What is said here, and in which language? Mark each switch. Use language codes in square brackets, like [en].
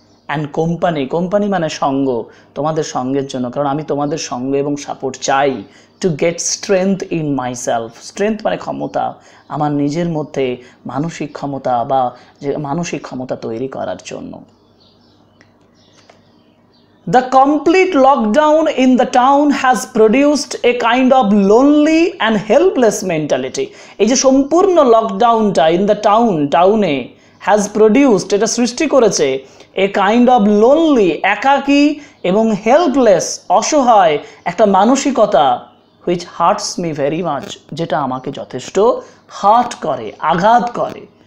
[en] and company, [bn] company মানে সঙ্গ, তোমাদের সঙ্গের জন্য, কারণ আমি তোমাদের সঙ্গ এবং সাপোর্ট চাই [en] To get strength in my self. [bn] Strength মানে ক্ষমতা, আমার নিজের মধ্যে মানসিক ক্ষমতা বা যে মানসিক ক্ষমতা তৈরি করার জন্য। [en] The complete lockdown in the town has produced a kind of lonely and helpless mentality. [bn] এই যে সম্পূর্ণ লকডাউনটা [en] in the town, [bn] টাউনে [en] has produced, [bn] এটা সৃষ্টি করেছে [en] a kind of lonely, [bn] একাকী এবং হেল্পলেস, অসহায় একটা মানসিকতা, [en] which hurts me very much, [bn] যেটা আমাকে যথেষ্ট হার্ট করে, আঘাত করে।